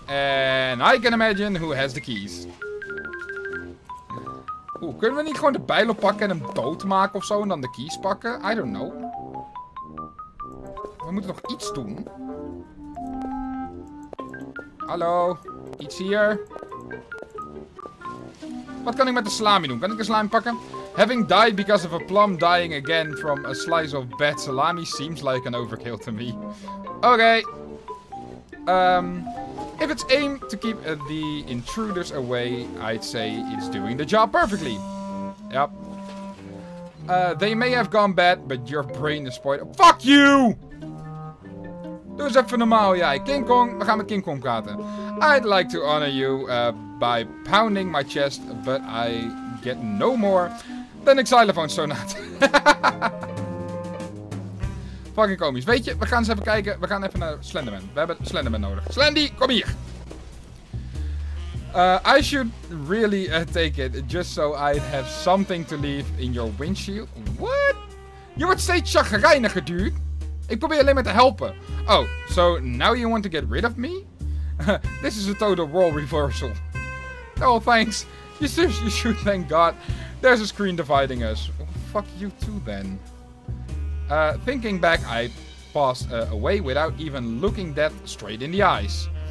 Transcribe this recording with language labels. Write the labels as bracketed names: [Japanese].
[English] And I can imagine who has the keys. [Dutch] Oeh, kunnen we niet gewoon de bijl oppakken en hem doodmaken of zo en dan de keys pakken? [English] I don't know. [Dutch] We moeten nog iets doen. Hallo, iets hier. Wat kan ik met de salami doen? Kan ik een salami pakken? [English] Having died because of a plum dying again from a slice of bad salami seems like an overkill to me. Oké. If it's aimed to keep the intruders away, I'd say it's doing the job perfectly. Yep. They may have gone bad, but your brain is spoiled. Fuck you! [Dutch] Doe eens even normaal, jij. King Kong, we gaan met King Kong praten. [English] I'd like to honor you by pounding my chest, but I get no more than a xylophone sonata. [Dutch] Fucking komisch. Weet je, we gaan eens even kijken. We gaan even naar Slenderman. We hebben Slenderman nodig. Slendy, kom hier. [English] I should really take it just so I'd have something to leave in your windshield. What? [Dutch] Je wordt steeds chagrijniger, dude. Ik probeer alleen maar te helpen. [English] Oh, so now you want to get rid of me? This is a total role reversal. Oh, thanks. You should thank God. There's a screen dividing us. Oh, fuck you too, then. Thinking back, I passed away without even looking death straight in the eyes.